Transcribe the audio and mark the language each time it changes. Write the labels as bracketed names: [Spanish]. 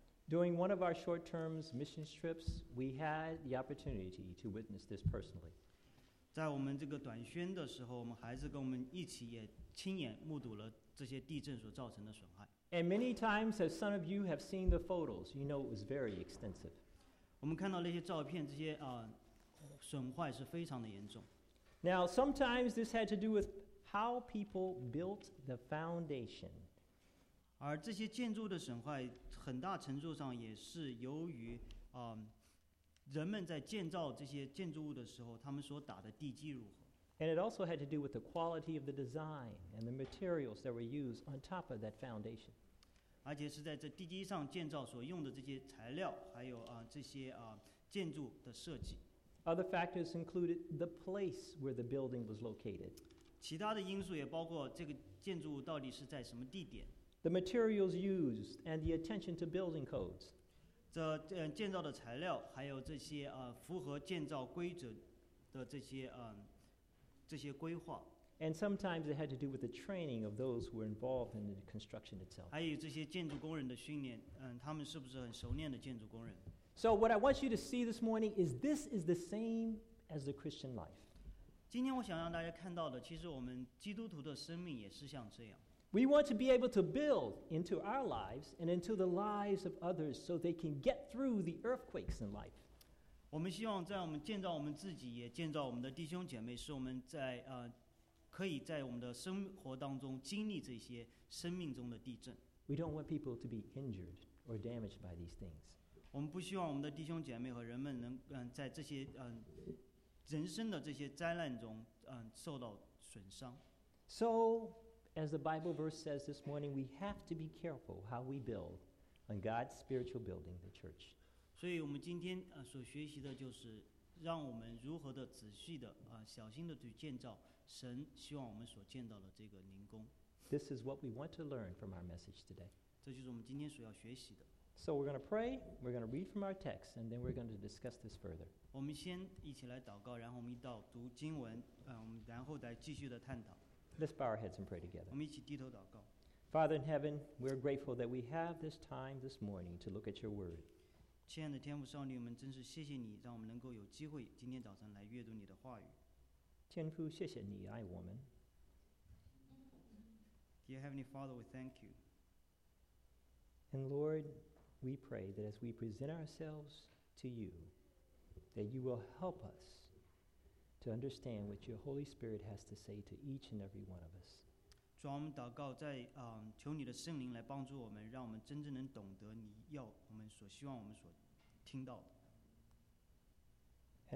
[English] During one of our short-term mission trips, we had the opportunity to witness this personally. [Chinese] 在我们这个短宣的时候，我们孩子跟我们一起也亲眼目睹了这些地震所造成的损害。 [English] And many times, as some of you have seen the photos, you know it was very extensive. [Chinese] 我们看到那些照片，这些损坏是非常的严重。 [English] Now, sometimes this had to do with how people built the foundation. [Chinese] 而这些建筑的损坏很大程度上也是由于人们在建造这些建筑物的时候他们所打的地基如何。 [English] And it also had to do with the quality of the design and the materials that were used on top of that foundation. [Chinese] 而且是在这地基上建造所用的这些材料还有这些建筑的设计。 [English] Other factors included the place where the building was located. [Chinese] 其他的因素也包括这个建筑物到底是在什么地点。 [English] The materials used and the attention to building codes. [Chinese] 这建造的材料，还有这些符合建造规则的这些规划。 [English] And sometimes it had to do with the training of those who were involved in the construction itself. [Chinese] 还有这些建筑工人的训练，他们是不是很熟练的建筑工人 [English] ？So what I want you to see this morning is this is the same as the Christian life. [Chinese] 今天我想让大家看到的，其实我们基督徒的生命也是像这样。 [English] We want to be able to build into our lives and into the lives of others so they can get through the earthquakes in life. [Chinese] 我们希望在我们建造我们自己也建造我们的弟兄姐妹使我们在可以在我们的生活当中经历这些生命中的地震。 [English] We don't want people to be injured or damaged by these things. [Chinese] 我们不希望我们的弟兄姐妹和人们能在这些人生的这些灾难中受到损伤。 [English] So,As the Bible verse says this morning, we have to be careful how we build on God's spiritual building, the church. [Chinese] 所以我们今天所学习的就是让我们如何的仔细的小心的去建造神希望我们所建造的这个灵宫。 [English] This is what we want to learn from our message today. [Chinese] 这就是我们今天所要学习的。 [English] So we're going to pray, we're going to read from our text, and then we're going to discuss this further. [Chinese] 我们先一起来祷告，然后我们一道读经文，然后再继续的探讨。 [English] Let's bow our heads and pray together. [Chinese] 我们一起低头祷告。 [English] Father in heaven, we are grateful that we have this time this morning to look at your word. [Chinese] 亲爱的天父上帝，我们真是谢谢你，让我们能够有机会今天早晨来阅读你的话语。天父，谢谢你爱我们。 [English] Dear Heavenly Father, we thank you. And Lord, we pray that as we present ourselves to you, that you will help us. To understand what your Holy Spirit has to say to each and every one of us. [Chinese] 主啊，我们祷告在求你的圣灵来帮助我们，让我们真正能懂得你要我们所希望我们所听到的。